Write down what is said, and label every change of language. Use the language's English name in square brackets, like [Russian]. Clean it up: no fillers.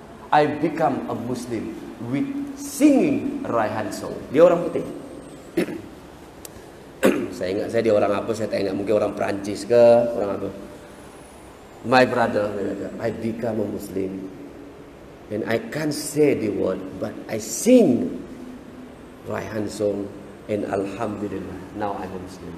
[English] I become a Muslim with singing Raihan song. [Malay] Dia orang putih. Saya ingat saya dia orang apa, saya tak ingat. Mungkin orang Perancis ke, orang apa. [English] my brother, I become a Muslim. And I can't say the word, but I sing Raihan song and alhamdulillah, now I'm a Muslim.